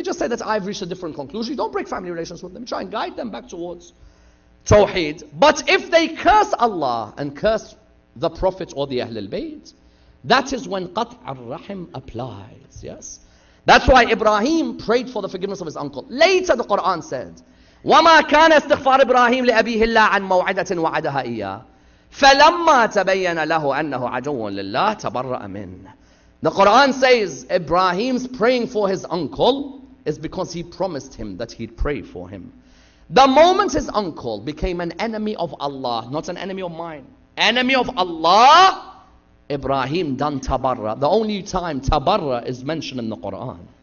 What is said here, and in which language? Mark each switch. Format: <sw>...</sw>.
<en>They just say that I've reached a different conclusion. You don't break family relations with them. Try and guide them back towards Tawheed. But if they curse Allah and curse the Prophet or the Ahlul Bayt, that is when Qat al-Rahim applies. Yes? That's why Ibrahim prayed for the forgiveness of his uncle. Later the Quran said,</en> <ar>وَمَا كَانَ اسْتِغْفَارِ إِبْرَاهِيمِ لِأَبِيهِ اللَّهِ عَنْ مَوْعِدَةٍ وَعَدَهَا إِيَّاهِ فَلَمَّا تَبَيَّنَ لَهُ أَنَّهُ عَدُوٌ لِلَّهِ تَبَرَّأَ مِنْهِ.</ar> <en>The Quran says, Ibrahim's praying for his uncle is because he promised him that he'd pray for him. The moment his uncle became an enemy of Allah, not an enemy of mine, enemy of Allah, Ibrahim done tabarra. The only time tabarra is mentioned in the Quran</en>